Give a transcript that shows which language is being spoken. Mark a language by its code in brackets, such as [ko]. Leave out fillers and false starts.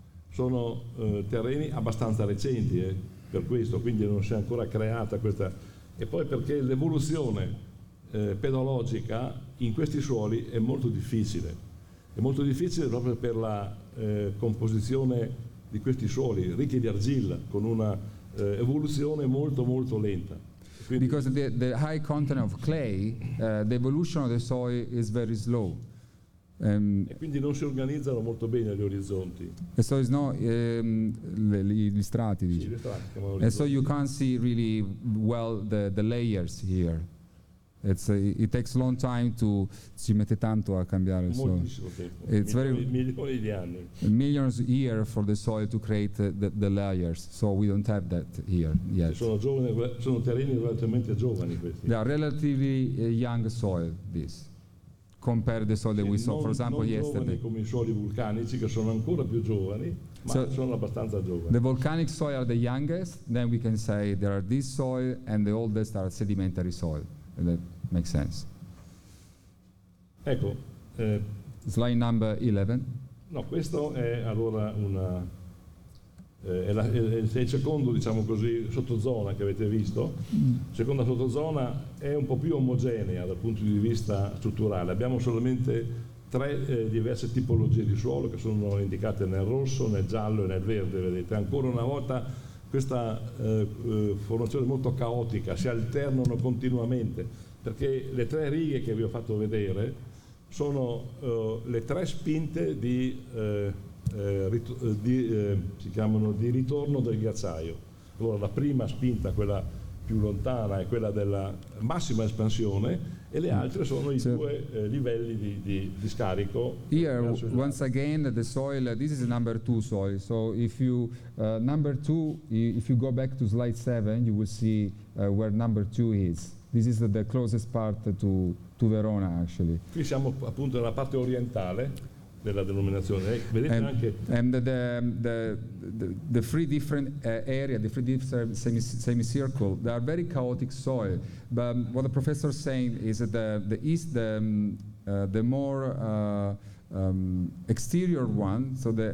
[it] Sono terreni abbastanza recenti per questo, quindi non si è ancora creata questa. E poi perché l'evoluzione pedologica in questi suoli è molto difficile. È molto difficile proprio per la composizione di questi suoli ricchi di argilla, con una evoluzione molto molto lenta. Quindi [en] because the high content of clay, the evolution of the soil is very slow. [it] E quindi non si organizzano molto bene gli orizzonti. E [en] so is no [it] gli strati, dice. Sì, gli strati. [en] And so you can't see really well the layers here. It takes a long time to [it] ci mette tanto a cambiare il suolo. [en] It's [it] milioni di anni. [en] Millions of years for the soil to create the layers. So we don't have that here yet. [it] Sono terreni relativamente giovani questi. [en] They are relatively young soil, this, compared to the soil that we saw, for example, [it] non [en] yesterday. [it] Non giovani come i suoli vulcanici, che sono ancora più giovani, ma so sono abbastanza giovani. [en] The volcanic soil are the youngest. Then we can say there are this soil and the oldest are sedimentary soil. That makes sense. [it] Ecco, [en] slide number 11. [it] No, questo è allora una è il secondo, diciamo così, sottozona che avete visto. Seconda sottozona è un po' più omogenea dal punto di vista strutturale. Abbiamo solamente tre diverse tipologie di suolo che sono indicate nel rosso, nel giallo e nel verde. Vedete, ancora una volta questa formazione molto caotica, si alternano continuamente, perché le tre righe che vi ho fatto vedere sono le tre spinte di ritorno del ghiacciaio. Allora la prima spinta, quella più lontana, è quella della massima espansione, e le altre sono i due livelli di scarico. [en] Here, once again, the soil, this is number two soil. So if you, number two, if you go back to slide 7, you will see where number two is. This is the closest part to Verona, actually. [it] Qui siamo appunto nella parte orientale della denominazione. Vedete anche [en] and the three different area, the three different semicircle, they are very chaotic soil. But what the professor is saying is that the east, the more exterior one, so